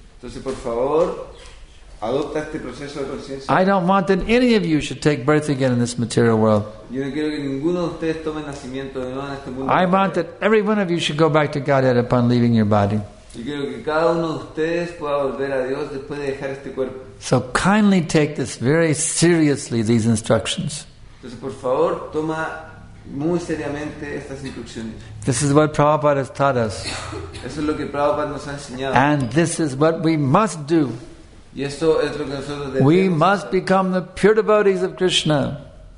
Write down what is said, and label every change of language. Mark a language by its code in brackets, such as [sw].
[es] Entonces, por favor, adopta este proceso de conciencia. [en] I don't want that any of you should take birth again in this material world. [es] Yo no quiero que ninguno de ustedes tome nacimiento de nuevo en este mundo. [en] I want that every one of you should go back to Godhead upon leaving your body. [es] Yo quiero que cada uno de ustedes pueda volver a Dios después de dejar este cuerpo. [en] So kindly take this very seriously, these instructions. [es] Entonces, por favor, toma muy seriamente estas instrucciones. [en] This is what Prabhupada has taught us. [es] Eso es lo que Prabhupada nos ha enseñado. [en] And this is what we must do. [es] Y esto es lo que nosotros debemos. [en] We must become the pure devotees of Krishna.